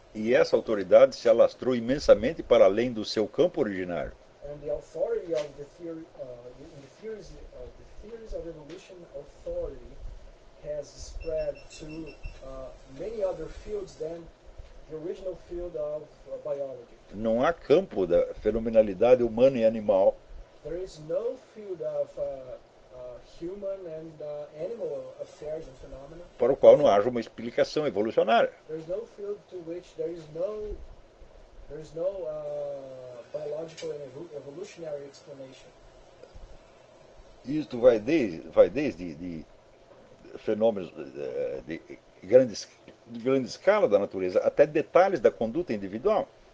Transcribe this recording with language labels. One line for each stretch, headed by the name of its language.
Portuguese: E essa autoridade se alastrou imensamente para além do seu campo originário.
English: And the authority of the theory, the theories of evolution authority has spread to many other fields than the original field of biology.
Portuguese: Não há campo da fenomenalidade humana e animal.
English: There is no field of human and animal affairs and phenomena.
Portuguese: Para o qual não haja uma explicação evolucionária.
English: There is no field to which there is no biological and evolutionary explanation.
Portuguese: Isto vai desde fenômenos de grande escala da natureza até detalhes da conduta individual.